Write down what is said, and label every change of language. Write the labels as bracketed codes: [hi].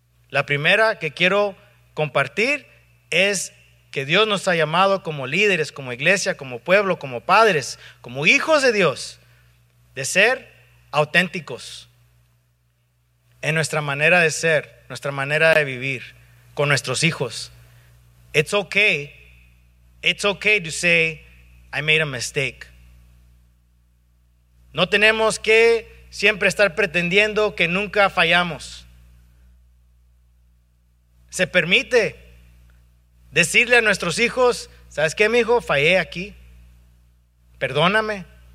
[es] La primera que quiero compartir es que Dios nos ha llamado como líderes, como iglesia, como pueblo, como padres, como hijos de Dios, de ser auténticos en nuestra manera de ser, nuestra manera de vivir con nuestros hijos. [en] It's okay to say, I made a mistake. [es] No tenemos que siempre estar pretendiendo que nunca fallamos. Se permite decirle a nuestros hijos, ¿sabes qué, mijo? Fallé aquí. Perdóname.